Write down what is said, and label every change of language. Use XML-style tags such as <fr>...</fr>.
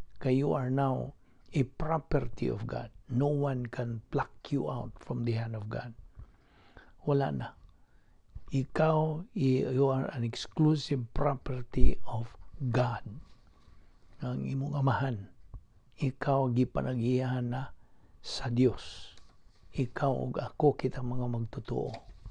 <en>Kayo are now a property of God. No one can pluck you out from the hand of God.</en> <ceb>Wala na.</ceb> <en>Ikaw, you are an exclusive property of God.</en> <ceb>Ang imong amahan, ikaw gipanagiyahan na sa Dios. Ikaw ug ako kita mga magtutuo.</ceb>